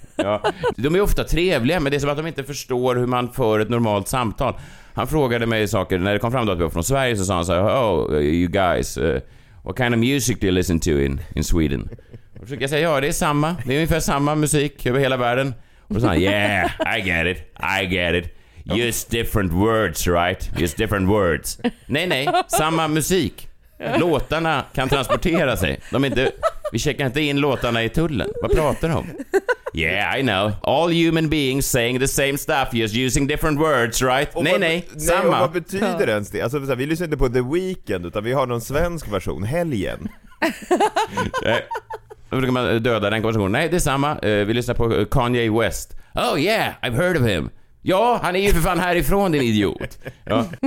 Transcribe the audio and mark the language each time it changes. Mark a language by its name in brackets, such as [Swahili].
[Swedish] Ja, de är ofta trevliga, men det är som att de inte förstår hur man för ett normalt samtal. Han frågade mig saker, när det kom fram då att vi var från Sverige, så sa han så här, [English] oh, you guys, what kind of music do you listen to in Sweden? [Swedish] Och försökte jag säga, ja, det är samma, det är ungefär samma musik över hela världen. Och så sa han, [English] yeah, I get it, just different words, right? Just different words. [Swedish] Nej, samma musik. Låtarna kan transportera sig. De är inte... Vi checkar inte in låtarna i tullen. Vad pratar de om? [English] Yeah, I know. All human beings saying the same stuff, just using different words, right? [Swedish] Och nej, samma. Vad betyder ens det? Alltså, vi lyssnar inte på The Weeknd, utan vi har någon svensk version, helgen. Då brukar man döda den konversationen. Nej, det är samma. Vi lyssnar på Kanye West. [English] Oh yeah, I've heard of him. [Swedish] Ja, han är ju för fan härifrån, din idiot. Ja.